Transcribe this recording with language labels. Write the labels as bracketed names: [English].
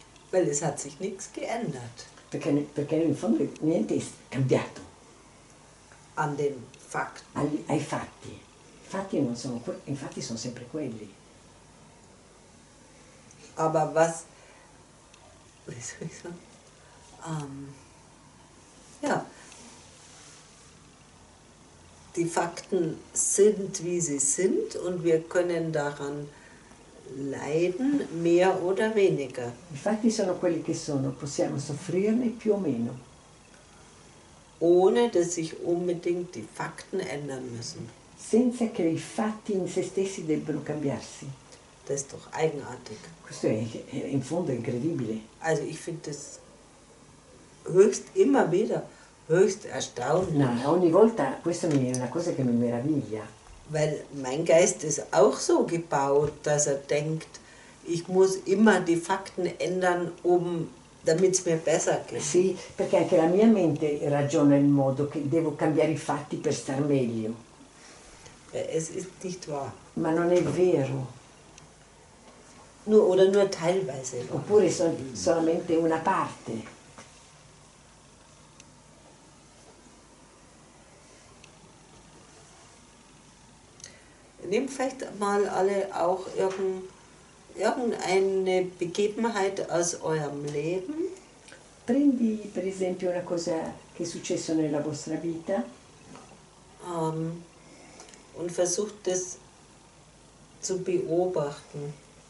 [German] Weil es hat sich nichts geändert. [Italian] Perché in fondo niente è cambiato. [German] An den Fakten. [Italian] Ai fatti. Fatti non sono, infatti sono sempre quelli. [German] Aber was, wie soll ich sagen, die Fakten sind, wie sie sind und wir können daran leiden, mehr oder weniger. [Italian] I fatti sono quelli che sono, possiamo soffrirne più o meno. [German] Ohne, dass sich unbedingt die Fakten ändern müssen. [Italian] Senza che i fatti in se stessi debbano cambiarsi. [German] Das ist doch eigenartig. [Italian] Questo è in fondo incredibile. [German] Also ich finde das höchst, immer wieder, höchst erstaunlich. [Italian] No, ogni volta, questo è una cosa che mi meraviglia. [German] Weil mein Geist ist auch so gebaut, dass er denkt, ich muss immer die Fakten ändern, damit es mir besser geht. [Italian] Sì, perché anche la mia mente ragiona in modo che devo cambiare i fatti per star meglio. [German] Es ist nicht wahr. [Italian] Ma non è vero. [German] Nur, oder nur teilweise. [Italian] Oppure solamente una parte. [German] Nimm vielleicht mal alle auch irgendeine Begebenheit aus eurem Leben. [Italian] Prendi per esempio una cosa che è successo nella vostra vita. [German] Und versucht das zu beobachten.